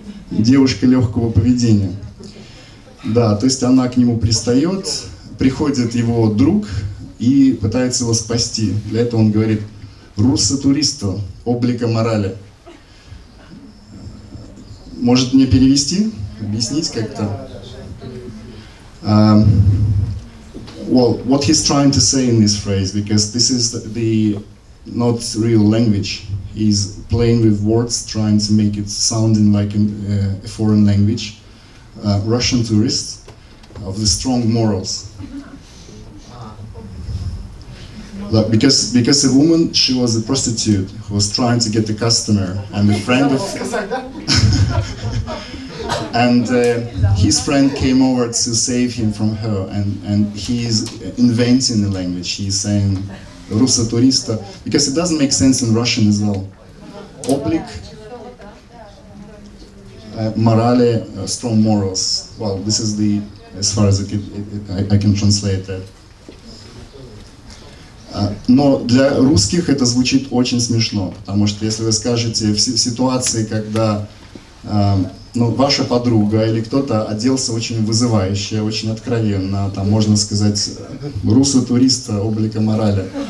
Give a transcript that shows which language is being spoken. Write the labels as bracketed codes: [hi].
[ru] Девушка легкого поведения. Да, то есть она к нему пристает, приходит его друг и пытается его спасти. Для этого он говорит «руссо-туристо, облика морали». Может мне перевести? Объяснить как-то? [en] well, what he's trying to say in this phrase, because this is the not real language. He's playing with words, trying to make it sounding like a foreign language. Russian tourists of the strong morals. Like, because a woman, she was a prostitute who was trying to get the customer and a friend of... And his friend came over to save him from her, and he's inventing the language. He's saying Russa turista, because it doesn't make sense in Russian as well. Oblik, morale, strong morals. Well, this is the, as far as I can translate that. [ru] Но для русских это звучит очень смешно, потому что если вы скажете в ситуации, когда ну, ваша подруга или кто-то оделся очень вызывающе, очень откровенно, там можно сказать «руса туриста, облика морали».